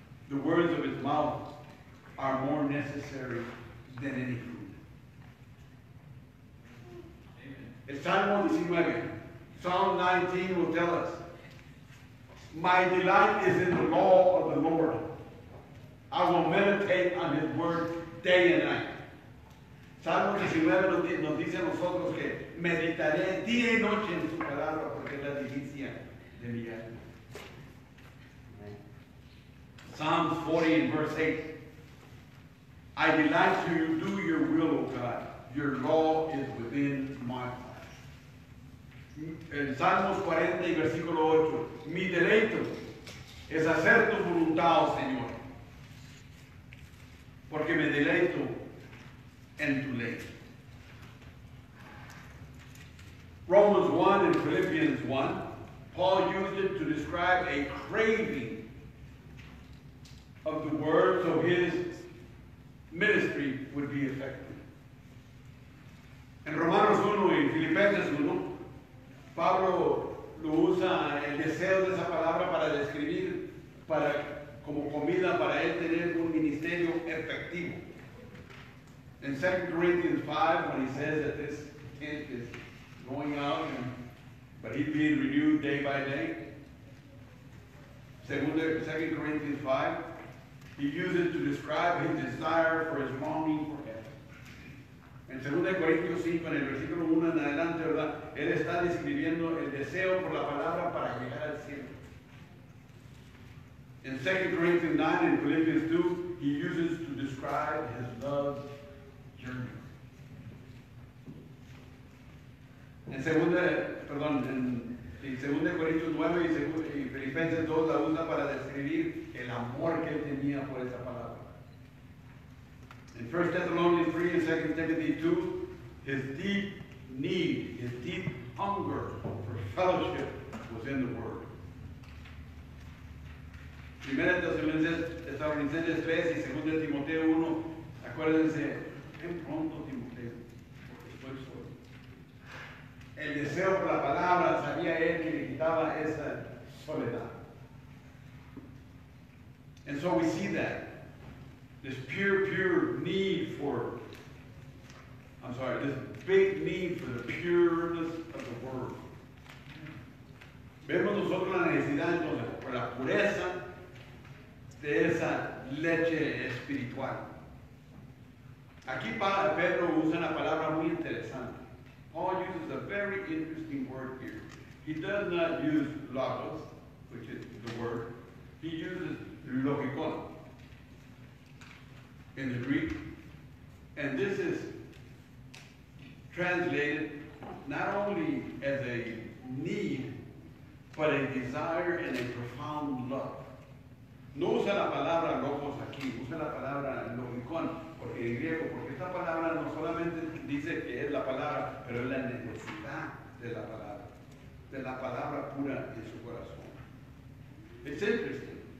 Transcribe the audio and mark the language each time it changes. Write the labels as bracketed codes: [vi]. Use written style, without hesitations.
[en] The words of his mouth are more necessary than any food. Amen. Psalm 19 will tell us, my delight is in the law of the Lord. I will meditate on his word day and night. [es] Psalm 19 nos dice a nosotros que meditaré día y noche en su palabra porque es la delicia de mi alma. [en] Psalms 40 and verse 8. I delight to do your will, O God. Your law is within my heart. [es] En Salmos 40 y versículo 8. Mi deleito es hacer tu voluntad, oh Señor. Porque me deleito en tu ley. [en] Romans 1 and Philippians 1. Paul used it to describe a craving of the word so his ministry would be effective. [es] En Romanos 1 y Filipenses 1, Pablo lo usa el deseo de esa palabra para describir para, como comida para él tener un ministerio efectivo. [en] En 2 Corinthians 5, when he says that this tent is going out, and, but he's being renewed day by day. 2 Corinthians 5, he uses it to describe his desire for his longing for heaven. [es] Corintios 5, en el versículo 1 en adelante, ¿verdad? Él está describiendo el deseo por la palabra para llegar al cielo. [en] In 2 Corinthians 9 and Philippians 2, he uses to describe his love journey. [es] En 2 Corintios 9 y Filipenses 2 la usa para describir el amor que él tenía por esa palabra. [en] In 1 Thessalonians 3 and 2 Timothy 2, his deep need, his deep hunger for fellowship was in the Word. [es] 1 Thessalonians 3 y 2 Timoteo 1, acuérdense, ven pronto Timoteo, porque estoy solo. El deseo por la palabra sabía él que le quitaba esa soledad. [en] And so we see that. This pure need for, I'm sorry, this big need for the pureness of the Word. [es] Vemos nosotros la necesidad entonces por la pureza de esa leche espiritual. Aquí Pedro usa una palabra muy interesante. [en] Paul uses a very interesting word here. He does not use logos, which is the word. He uses logikon in the Greek, and this is translated not only as a need, but a desire and a profound love. [es] No usa la palabra logos aquí, usa la palabra logikon, porque en griego, porque esta palabra no solamente dice que es la palabra, pero es la necesidad de la palabra pura en su corazón. [en] It's interesting.